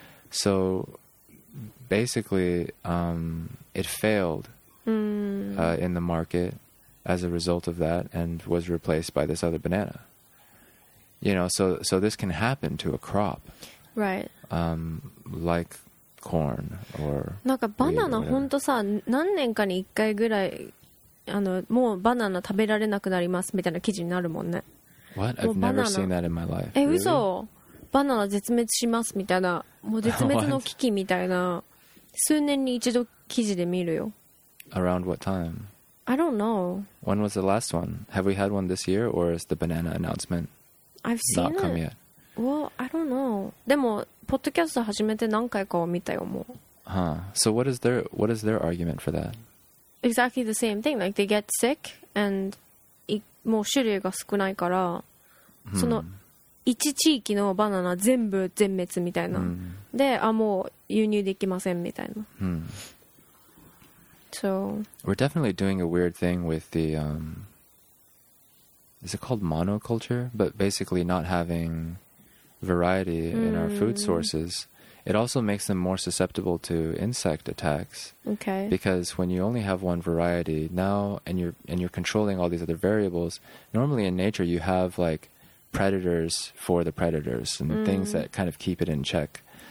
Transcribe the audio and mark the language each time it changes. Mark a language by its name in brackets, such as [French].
[English] So basically it failed in the market as a result of that and was replaced by this other banana. You know, so this can happen to a crop. Right. Like corn or [Japanese] なんかバナナ本当さ何年かに1回ぐらいもうバナナ食べられなくなりますみたいな記事になるもんね。 [English] What? I've never seen that in my life. [Japanese] え、嘘。バナナ絶滅しますみたいな、もう絶滅の危機みたいな数年に一度記事で見るよ。 [English] Around what time? I don't know. When was the last one? Have we had one this year or is the banana announcement not come yet? Well, I don't know. [Japanese] でもポッドキャスト始めて何回かを見たよもう。 [English] Huh. So what is their argument for that? Exactly the same thing. Like they get sick and [Japanese] もう種類が少ないから、その一地域のバナナ全部全滅みたいな。で、あ、もう輸入できませんみたいな。 [English] So we're definitely doing a weird thing with the is it called monoculture? But basically not having variety in our food sources. It also makes them more susceptible to insect attacks. Okay. Because when you only have one variety now and you're controlling all these other variables, normally in nature you have like predators for the predators and things that kind of keep it in check.